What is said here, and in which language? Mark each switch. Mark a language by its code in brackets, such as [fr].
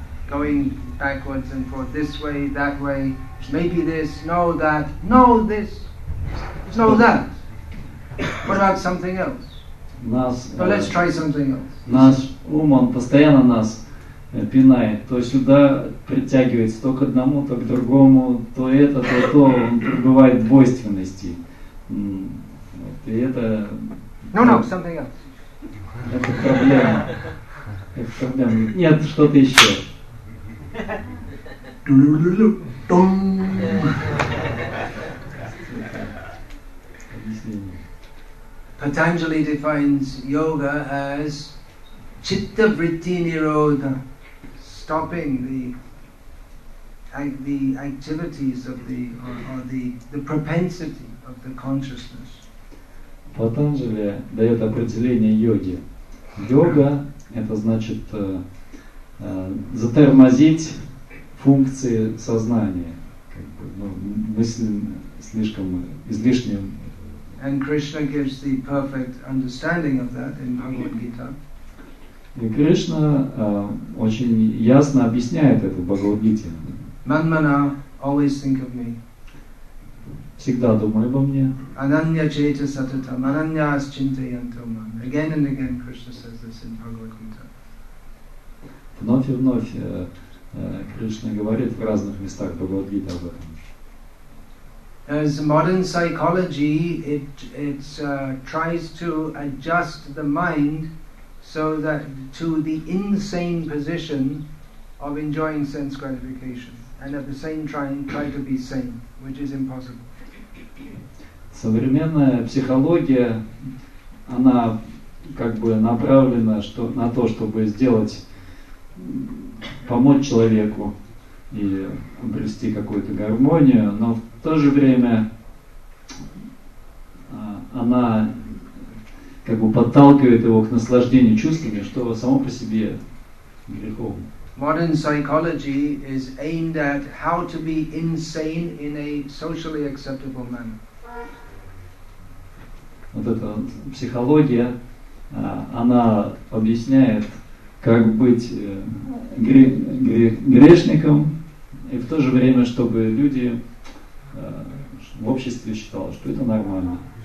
[en] Going backwards and forth, this way, that way, maybe this, no that, no this, no that. What about something else? [ru] Но [en] let's try something else. [ru] Наш ум, он постоянно нас пинает, то сюда притягивается, то к одному, то к другому, то это, то то, он пребывает в двойственности. Вот, и это... [en] No, something else. [ru] Это проблема. Это проблема. Нет, что-то еще. [en] Patanjali defines yoga as [sa] chitta vritti nirodha, [en] stopping the activities of the or the propensity of the consciousness. [ru] Patanjali дает определение йоги. Йога это значит затормозить функции сознания, как бы, ну, мысли слишком излишним. [en] And Krishna gives the perfect understanding of that in Bhagavad Gita. [ru] И Кришна очень ясно объясняет это в Бхагавад Гите. [en] Manmana, always think of me. [ru] Всегда думай обо мне. [sa] Ananya cheta satata, mananyas chintayanto man. [en] Again and again Krishna says this in Bhagavad Gita. [ru] Вновь и вновь Кришна говорит в разных местах Бхагавад Гита об этом. [en] As modern psychology, it tries to adjust the mind so that to the insane position of enjoying sense gratification, and at the same time try to be sane, which is impossible. [ru] Современная психология, она как бы направлена на то, чтобы помочь человеку и обрести какую-то гармонию, но в то же время она как бы подталкивает его к наслаждению чувствами, что само по себе греховно. [en] Modern psychology is aimed at how to be insane in a socially acceptable manner. [ru] Вот эта психология, она объясняет, как быть грешником, и в то же время, чтобы люди в обществе считали, что это нормально.